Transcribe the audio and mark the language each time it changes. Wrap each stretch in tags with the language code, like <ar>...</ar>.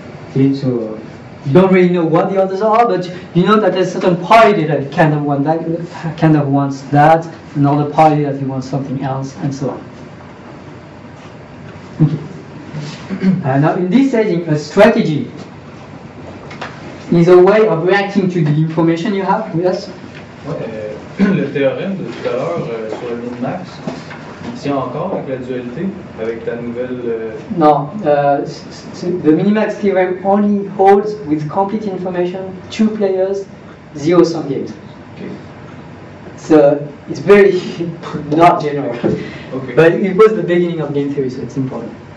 <en>Okay, so you don't really know what the others are, but you know that there's a certain probability that kind of wants that, another probability that he wants something else, and so on. Okay. Now, in this setting, a strategy is a way of reacting to the information you have. Yes?</en> <fr>Ouais, le théorème de tout à l'heure sur le mode max, il tient encore avec la dualité, avec ta nouvelle.</fr> <en>Non, the minimax theorem only holds with complete information, two players, zero sum games. Okay. So, it's very not general. Okay. But it was the beginning of game theory, so it's important.</en>